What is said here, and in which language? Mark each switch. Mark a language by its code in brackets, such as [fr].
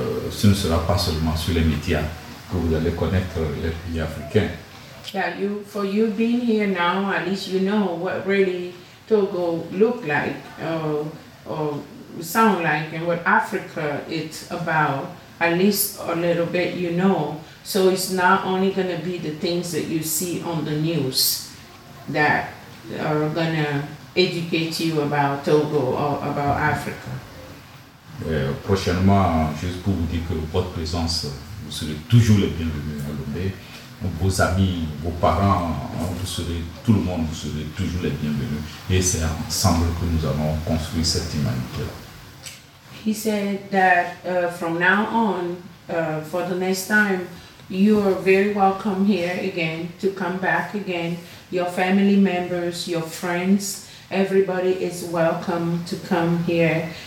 [fr] Ce ne sera pas seulement sur les médias que vous allez connaître les pays africains. [en] Yeah, you, for you being here now, at least you know what really Togo look like, or sound like, and what Africa is about. At least a little bit, you know. So it's not only going to be the things that you see on the news that are going to educate you about Togo or about Africa. [fr] Prochainement, juste pour vous dire que votre présence, vous serez toujours le bienvenu à Lomé. Vos amis, vos parents, vous serez, tout le monde, vous serez toujours les bienvenus. Et c'est ensemble que nous avons construit cette humanité-là. [en] He said that from now on, for the next time, you are very welcome here again, to come back again. Your family members, your friends, everybody is welcome to come here.